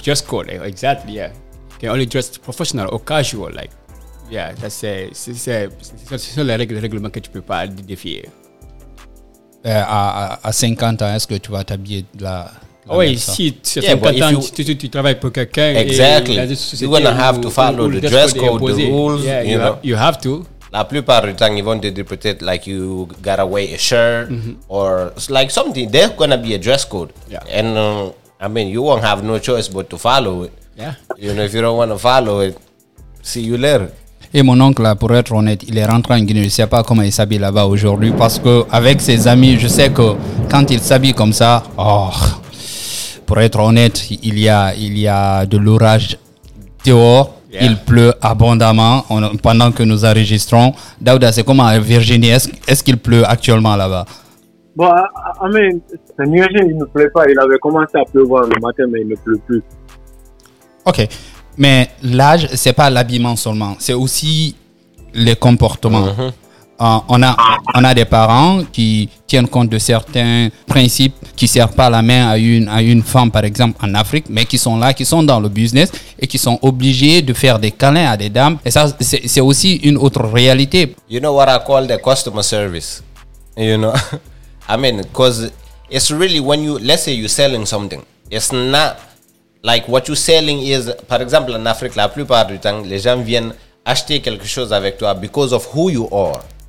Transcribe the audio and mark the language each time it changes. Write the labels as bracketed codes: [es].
[en] Dress code, exactly, yeah. Can only dress professional or casual, like, yeah, that's a, [fr] c'est les règlements que tu peux pas défier. À 50 ans, est-ce que tu vas t'habiller de la oh oui, si tu as 50 ans, tu travailles pour quelqu'un. [en] Exactly. You're going to have to follow the dress code, the rules, yeah, you know. You have to. [fr] La plupart du temps, ils vont te dire peut-être, [en] like, you gotta wear a shirt, mm-hmm. or, like, something. There's going to be a dress code. Yeah. And, I mean, you won't have no choice but to follow it. Yeah. You know, if you don't want to follow it, see you later. [fr] Et mon oncle, pour être honnête, il est rentré en Guinée. Je ne sais pas comment il s'habille là-bas aujourd'hui parce qu'avec ses amis, je sais que quand il s'habille comme ça, oh, pour être honnête, il y a de l'orage dehors. Yeah. Il pleut abondamment pendant que nous enregistrons. Daouda, c'est comment à Virginie? Est-ce qu'il pleut actuellement là-bas? Bon, ce nuage, il ne pleut pas. Il avait commencé à pleuvoir le matin, mais il ne pleut plus. Ok, mais l'âge, c'est pas l'habillement seulement, c'est aussi les comportements. Mm-hmm. On a des parents qui tiennent compte de certains principes, qui serrent pas la main à une femme, par exemple, en Afrique, mais qui sont là, qui sont dans le business et qui sont obligés de faire des câlins à des dames. Et ça, c'est aussi une autre réalité. [en] You know what I call the customer service? You know, I mean, because it's really when you, let's say you're selling something, it's not like what you're selling is, [fr] par exemple, en Afrique, la plupart du temps, les gens viennent acheter quelque chose avec toi [en] because of who you are.